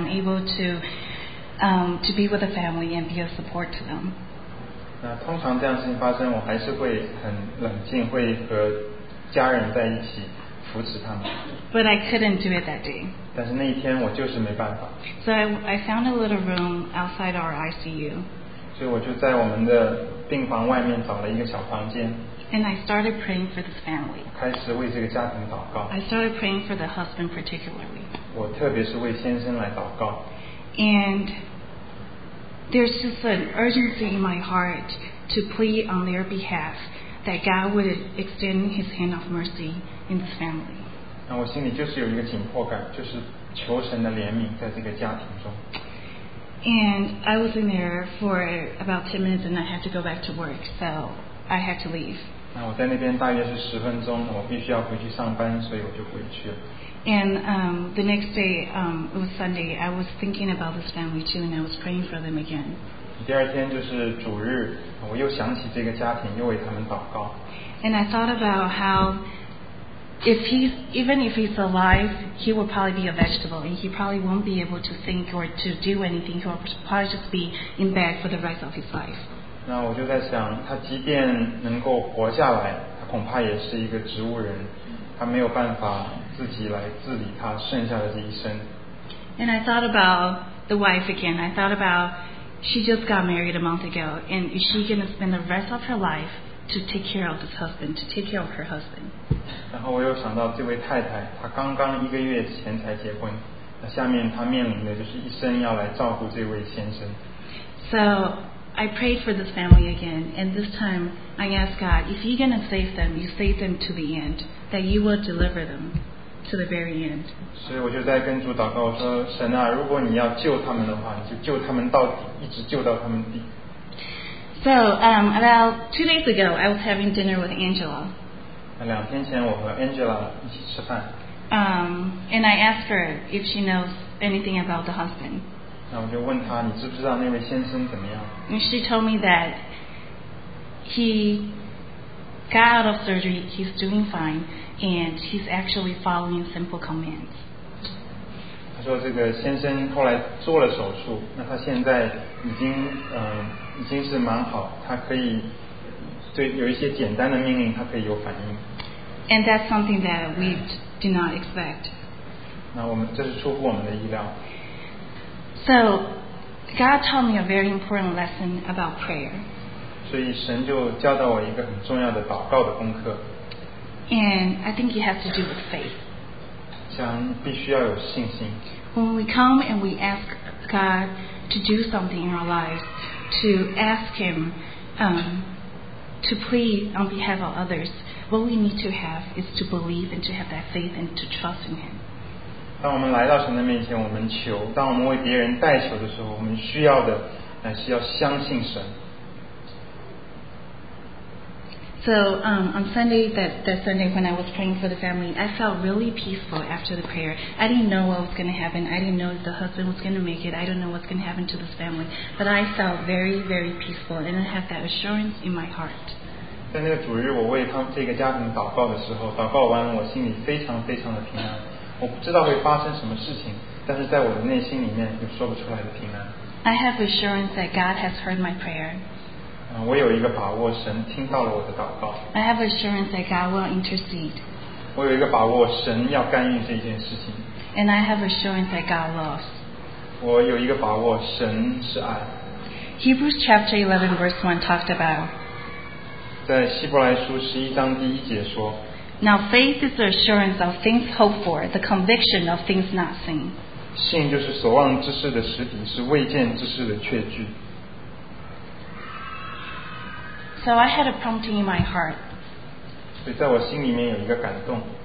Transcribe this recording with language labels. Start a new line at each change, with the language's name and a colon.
English: I'm able to be with the family and be a support to them.
Chinese: 通常这样的事情发生，我还是会很冷静，会和家人在一起扶持他们。
English: But I couldn't do it that day.
Chinese: 但是那一天我就是没办法。
English: So I found a little room outside our ICU.
Chinese: 所以我就在我们的病房外面找了一个小房间。
English: And I started praying for this family.
Chinese: 开始为这个家庭祷告。
English: I started praying for the husband particularly.
Chinese: 我特别是为先生来祷告。
English: And there's just an urgency in my heart to plead on their behalf that God would extend His hand of mercy in this family.
Chinese: 那我心里就是有一个紧迫感，就是求神的怜悯在这个家庭中。
English: And I was in there for about 10 minutes, and I had to go back to work, so I had to leave.
Chinese: 那我在那边大约是十分钟，我必须要回去上班，所以我就回去了。
English: And the next day, it was Sunday, I was thinking about this family too, and I was praying for them again.
Chinese: 第二天就是主日，我又想起这个家庭，又为他们祷告。
English: And I thought about how even if he's alive, he will probably be a vegetable, and he probably won't be able to think or to do anything. He will probably just be in bed for the rest of his life.
Chinese: 那我就在想，他即便能够活下来，他恐怕也是一个植物人，他没有办法自己来治理他剩下的这一生。
English: And I thought about the wife again. I thought about she just got married a month ago, and is she going to spend the rest of her life to take care of this husband, to take care of her husband?
Chinese: 然后我又想到这位太太，她刚刚一个月前才结婚，那下面她面临的就是一生要来照顾这位先生。
English: So I prayed for this family again, and this time I asked God, if you're going to save them, you save them to the end, that you will deliver them to the very end.
Chinese: 所以我就在跟主祷告，我说神啊，如果你要救他们的话，你就救他们到底，一直救到他们底。
English: So about 2 days ago, I was having dinner with Angela.
Chinese: 两天前我和 Angela 一起吃饭。
English: And I asked her if she knows anything about the husband.
Chinese: 那我就问她，你知不知道那位先生怎么样？
English: And she told me that he got out of surgery, he's doing fine, and he's actually following simple commands.
Chinese: 她说这个先生后来做了手术，那他现在已经已经是蛮好，他可以对有一些简单的命令他可以有反应。
English: And that's something that we did not expect.
Chinese: 那我们这是出乎我们的意料。
English: So God taught me a very important lesson about prayer.
Chinese: 所以神就教导我一个很重要的祷告的功课。
English: And I think it has to do with faith.
Chinese: 讲必须要有信心。
English: When we come and we ask God to do something in our lives, to ask Him to plead on behalf of others, what we need to have is to believe and to have that faith and to trust in Him.
Chinese: 当我们来到神的面前，我们求，当我们为别人代求的时候，我们需要的乃是要相信神。
English: So on Sunday, that Sunday when I was praying for the family, I felt really peaceful after the prayer. I didn't know what was going to happen. I didn't know if the husband was going to make it. I don't know what's going to happen to this family. But I felt very, very peaceful, and I have that assurance in my heart.
Chinese: 在那个主日，我为他们这个家庭祷告的时候，祷告完，我心里非常非常的平安。我不知道会发生什么事情，但是在我的内心里面有说不出来的平安。
English: I have assurance that God has heard my prayer.
Chinese: 我有一个把握，神听到了我的祷告。
English: I have assurance that God will intercede.
Chinese: 我有一个把握，神要干预这件事情。
English: And I have assurance that God loves.
Chinese: 我有一个把握，神是爱。
English: Hebrews chapter 11 verse 1 talked about.
Chinese: 在希伯来书十一章第一节说。
English: Now faith is the assurance of things hoped for, the conviction of things not seen.
Chinese: 信就是所望之事的实底，是未见之事的确据。
English: So I had a prompting in my heart.
Chinese: 所以在我心里面有一个感动。